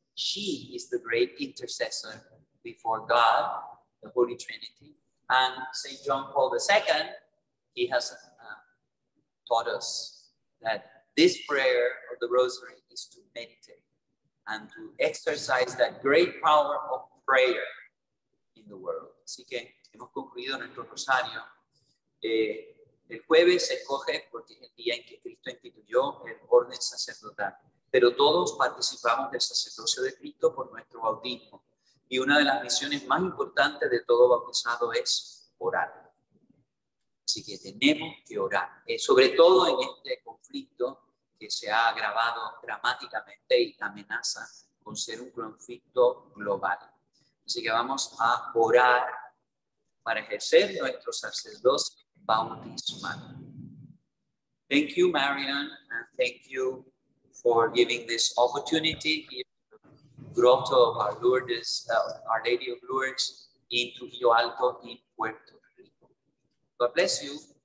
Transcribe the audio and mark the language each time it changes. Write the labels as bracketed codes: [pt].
[en] She is the great intercessor before God, the Holy Trinity, and St. John Paul II, he has taught us that this prayer of the Rosary is to meditate and to exercise that great power of prayer in the world. [es] Así que hemos concluido nuestro rosario. El jueves se escoge porque es el día en que Cristo instituyó el orden sacerdotal. Pero todos participamos del sacerdocio de Cristo por nuestro bautismo. Y una de las misiones más importantes de todo bautizado es orar. Así que tenemos que orar. Sobre todo en este conflicto que se ha agravado dramáticamente y amenaza con ser un conflicto global. Así que vamos a orar para ejercer nuestro sacerdocio bautismal. [en] Thank you, Marian, and thank you for giving this opportunity here in the Grotto of Our Lourdes, Our Lady of Lourdes, in Trujillo Alto, in Puerto Rico. God bless you.